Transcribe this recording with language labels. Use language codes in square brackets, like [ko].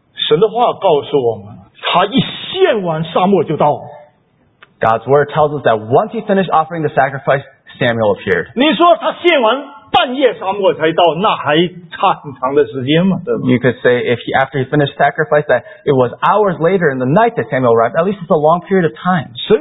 [zh] 神的话告诉我们，他一献完，撒母耳就到。 [en] God's word tells us that once he finished offering the sacrifice, Samuel appeared. [zh] 你说他献完半夜，撒母耳才到，那还差很长的时间嘛，对吧？ [en] You could say if he, after he finished sacrifice that it was hours later in the night that Samuel arrived. At least it's a long period of time.